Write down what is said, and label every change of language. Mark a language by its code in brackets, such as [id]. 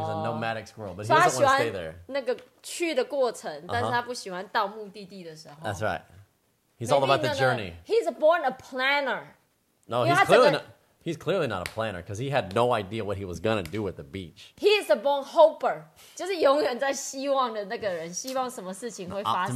[en] He's a nomadic squirrel, but he doesn't want to stay there. [zh] 那个去的过程，但是他不喜欢到目的地的时候。 [en] That's right. He's all about the journey. He's born a planner. No, he's clearly not a planner because he had no idea what he was going to do at the beach. He is a born hoper. [zh] 就是永远在希望的那个人，希望什么事情会发生。